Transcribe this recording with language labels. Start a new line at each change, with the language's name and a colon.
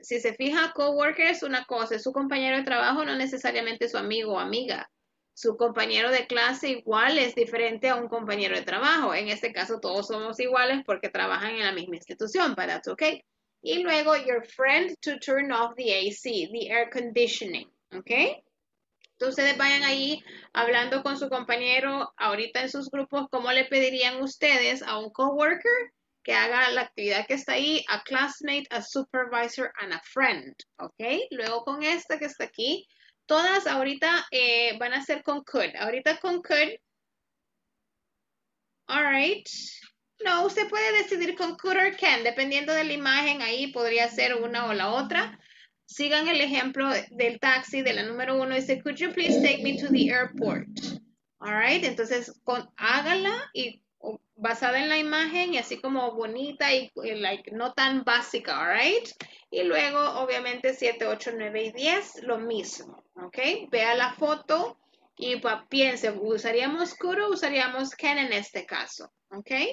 Spanish: Si se fija, coworker es una cosa, es su compañero de trabajo, no necesariamente su amigo o amiga. Su compañero de clase igual es diferente a un compañero de trabajo. En este caso, todos somos iguales porque trabajan en la misma institución,
English: but that's okay.
Spanish: Y luego,
English: your friend to turn off the AC, the air conditioning, okay?
Spanish: Entonces, ustedes vayan ahí hablando con su compañero ahorita en sus grupos, ¿cómo le pedirían ustedes a un coworker que haga la actividad que está ahí,
English: a classmate, a supervisor, and a friend, okay?
Spanish: Luego, con esta que está aquí, todas ahorita van a ser con could. Ahorita con could.
English: All right.
Spanish: No, usted puede decidir con
English: could or can.
Spanish: Dependiendo de la imagen, ahí podría ser una o la otra. Sigan el ejemplo del taxi, de la número uno. Dice,
English: could you please take me to the airport? All right.
Spanish: Entonces, hágala y basada en la imagen y así como bonita y like, no tan básica.
English: All right.
Spanish: Y luego, obviamente, 7, 8, 9 y 10, lo mismo. Ok. Vea la foto y piense, ¿usaríamos could o usaríamos can en este caso? Ok.